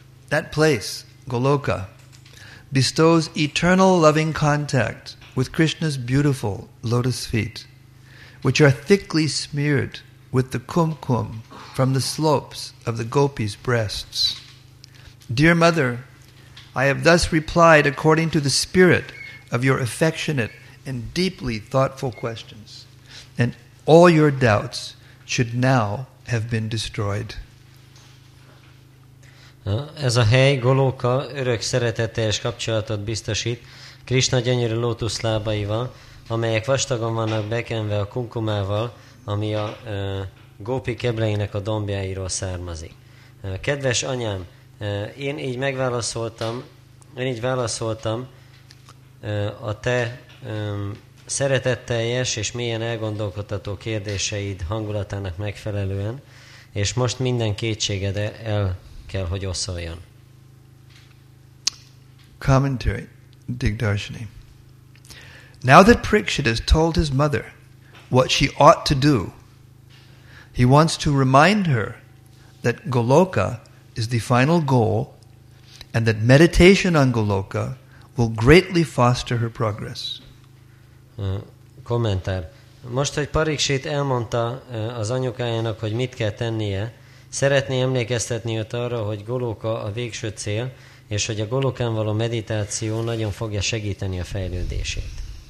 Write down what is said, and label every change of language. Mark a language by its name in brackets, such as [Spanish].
[English] That place, Goloka, bestows eternal loving contact with Krishna's beautiful lotus feet, which are thickly smeared with the kumkum from the slopes of the gopis' breasts. Dear Mother, I have thus replied according to the spirit of your affectionate and deeply thoughtful questions, and all your doubts should now have been destroyed. [Hungarian] Ez a hely Goloka örök szeretetteljes kapcsolatot biztosít Krishna gyönyörű lótuszlábaival, amelyek vastagon vannak bekenve a kunkumával, ami a gópi kebleinek a dombjairól származik. Kedves anyám, én így megválaszoltam, a te szeretetteljes és mélyen elgondolkodható kérdéseid hangulatának megfelelően, és most minden kétséged el kell, hogy oszoljon. [English] Commentary, Digdarshini. Now that Prikshit has told his mother what she ought to do, he wants to remind her that Goloka is the final goal and that meditation on Goloka will greatly foster her progress. [Hungarian] Kommentár. Most, hogy Prikshit elmondta az anyukájának, hogy mit kell tennie, szeretné emlékeztetni őt arra, hogy Goloka a végső cél, és hogy a Golokán való meditáció nagyon fogja segíteni a fejlődését.